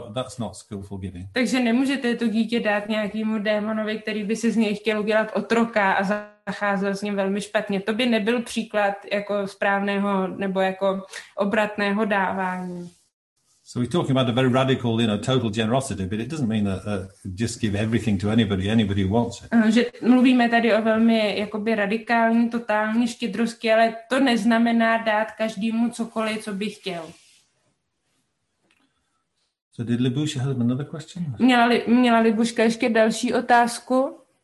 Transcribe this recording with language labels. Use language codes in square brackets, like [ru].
[en] That's not skillful giving. [cs] Takže nemůžete to dítě dát nějakému démonovi, který by si z něj chtěl udělat otroka a zacházel s ním velmi špatně. To by nebyl příklad jako správného nebo jako obratného dávání. [en] So we're talking about a very radical, you know, total generosity, but it doesn't mean that just give everything to anybody who wants it. [cs] Že mluvíme tady o velmi jakoby radikální, totální štědrosti, ale to neznamená dát každému cokoliv, co by chtěl. [en] So did Libuška have another question? [cs] Měla Libuška ještě další otázku?